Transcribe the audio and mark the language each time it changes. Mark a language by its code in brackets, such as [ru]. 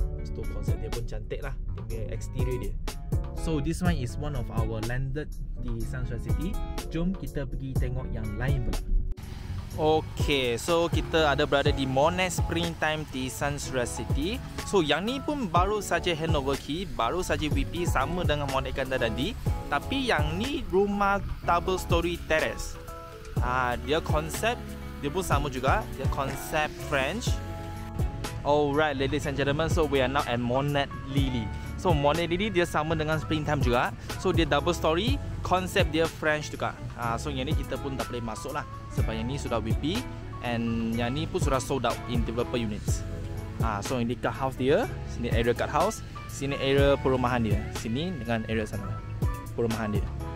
[ms] So konsep dia pun cantik lah, dengan exterior dia. [en] So this one is one of our landed di San Suria City. [ms] Jom kita pergi tengok yang lain pula. Okay, so kita ada berada di Monet Springtime di San Suria City. So yang ni pun baru saja handover key, baru saja WP sama dengan Monet Garden tadi. Tapi yang ni rumah double story terrace. Dia konsep dia pun sama juga, dia konsep French. [en] Alright ladies and gentlemen, so we are now at Monet Lily. [ms] So Monet Lily dia sama dengan Springtime juga. So dia double story, konsep dia French juga. So yang ni kita pun tak boleh masuk lah sebab yang ni sudah WP and yang ni pun sudah [en] sold out in developer units. [ms] So ini cut house dia, sini area cut house, sini area perumahan dia, sini dengan area sana perumahan dia.